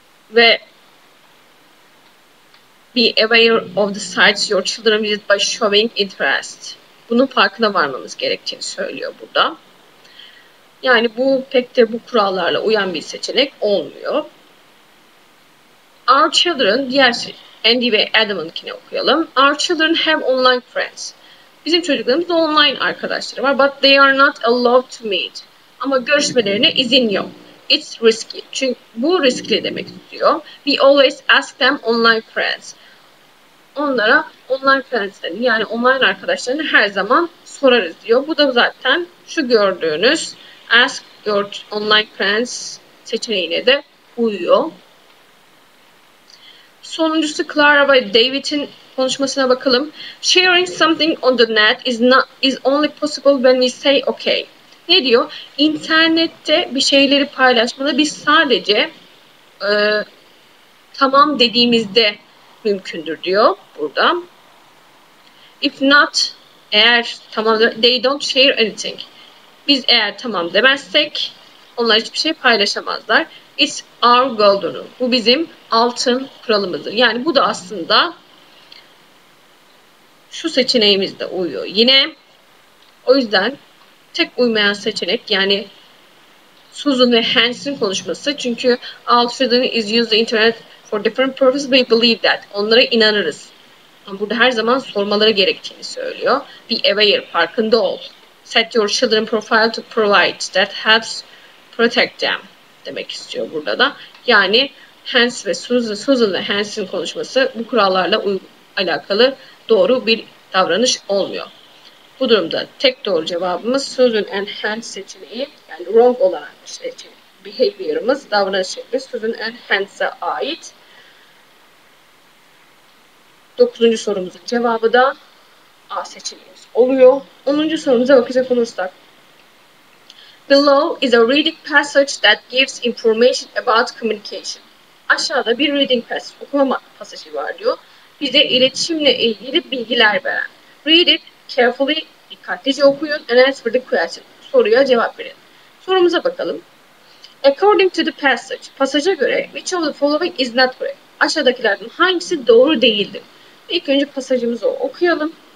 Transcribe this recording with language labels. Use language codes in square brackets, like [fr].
[en] Ve be aware of the sites your children visit by showing interest. [tr] Bunun farkına varmamız gerektiğini söylüyor burada. Yani bu pek de bu kurallarla uyan bir seçenek olmuyor. [en] Our children, [tr] diğer şey, Andy ve Adam'ınkini okuyalım. [en] Our children have online friends. [tr] Bizim çocuklarımızda online arkadaşları var. [en] But they are not allowed to meet. [tr] Ama görüşmelerine izin yok. [en] It's risky. [tr] Çünkü bu riskli demek istiyor. [en] We always ask them online friends. [tr] Onlara online friends'lerini yani online arkadaşlarını her zaman sorarız diyor. Bu da zaten şu gördüğünüz [en] Ask your online friends [tr] seçeneğine de uyuyor. Sonuncusu Clara ve David'in konuşmasına bakalım. [en] Sharing something on the net is only possible when we say okay. [tr] Ne diyor? İnternette bir şeyleri paylaşmada biz sadece tamam dediğimizde mümkündür diyor burada. [en] If not, [tr] eğer tamam, [en] they don't share anything. [tr] Biz eğer tamam demezsek onlar hiçbir şey paylaşamazlar. [en] It's our golden rule. [tr] Bu bizim altın kuralımızdır. Yani bu da aslında şu seçeneğimizde uyuyor. Yine o yüzden tek uymayan seçenek yani Susan ve Hans'in konuşması. Çünkü [en] Our children is use the internet for different purposes. We believe that. [tr] Onlara inanırız. Ama burada her zaman sormaları gerektiğini söylüyor. [en] Be aware, [tr] farkında ol. [en] Set your children profile to provide that helps protect them [tr] demek istiyor burada da. Yani Susan ve Hans'in konuşması bu kurallarla alakalı doğru bir davranış olmuyor. Bu durumda tek doğru cevabımız Susan and Hans seçeneği yani wrong olan seçeneği, behavior'ımız, davranış şekli Susan and Hans'a ait. Dokuzuncu sorumuzun cevabı da A seçeneği oluyor. 10. sorumuza bakacak olursak. [en] Below is a reading passage that gives information about communication. [tr] aşağıda bir reading pass, okuma pasajı var diyor. Bize iletişimle ilgili bilgiler veren. [en] Read it carefully, [tr] dikkatlice okuyun [en] and answer the question. [tr] Soruya cevap verin. Sorumuza bakalım. [en] According to the passage, [tr] pasaja göre [en] which of the following is not correct? [tr] Aşağıdakilerden hangisi doğru değildir? İlk önce pasajımızı okuyalım.